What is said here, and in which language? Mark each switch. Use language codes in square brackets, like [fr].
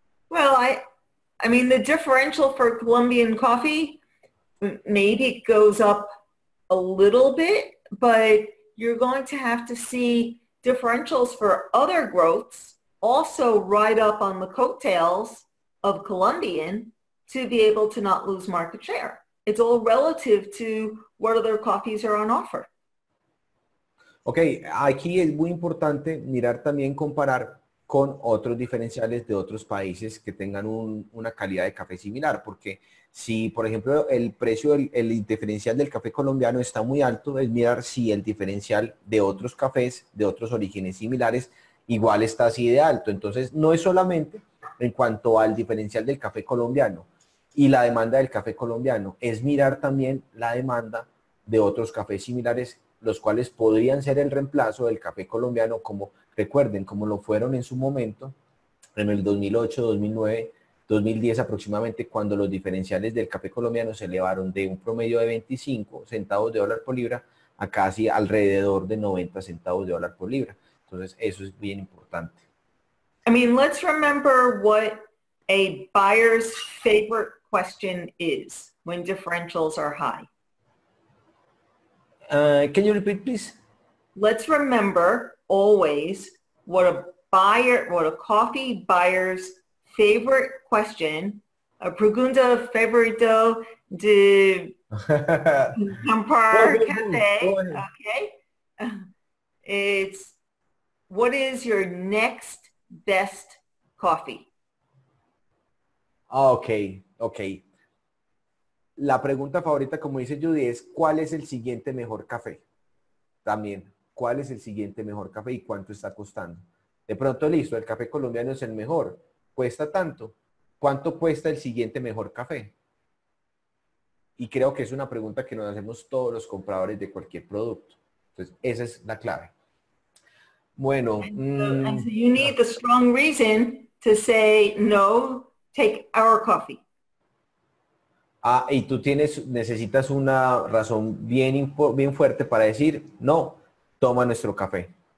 [en] Well, I mean, the differential for Colombian coffee, maybe it goes up a little bit, but you're going to have to see differentials for other growths also ride up on the coattails of Colombian to be able to not lose market share. It's all relative to what other coffees are on offer. [es] Ok, aquí es muy importante mirar también comparar con otros diferenciales de otros países que tengan una calidad de café similar, porque si, por ejemplo, el precio, el diferencial del café colombiano está muy alto, es mirar si el diferencial de otros cafés, de otros orígenes similares, igual está así de alto. Entonces, no es solamente en cuanto al diferencial del café colombiano y la demanda del café colombiano, es mirar también la demanda de otros cafés similares, los cuales podrían ser el reemplazo del café colombiano, como recuerden, como lo fueron en su momento, en el 2008, 2009, 2010 aproximadamente, cuando los diferenciales del café colombiano se elevaron de un promedio de 25 centavos de dólar por libra a casi alrededor de 90 centavos de dólar por libra. Entonces, eso es bien importante. [en] I mean, let's remember what a buyer's favorite question is when differentials are high. Can you repeat, please? Let's remember always what a coffee buyer's favorite question, [es] a pregunta favorito de Campar Cafe, [en] Go okay? It's what is your next best coffee. ahead. Okay. [es] La pregunta favorita, como dice Judy, es ¿cuál es el siguiente mejor café? También, ¿cuál es el siguiente mejor café y cuánto está costando? De pronto, listo, el café colombiano es el mejor, cuesta tanto. ¿Cuánto cuesta el siguiente mejor café? Y creo que es una pregunta que nos hacemos todos los compradores de cualquier producto. Entonces, esa es la clave. Bueno, [en] And so you need the strong reason to say no, take our coffee. [es] Y tú necesitas una razón bien fuerte para decir, no, toma nuestro café.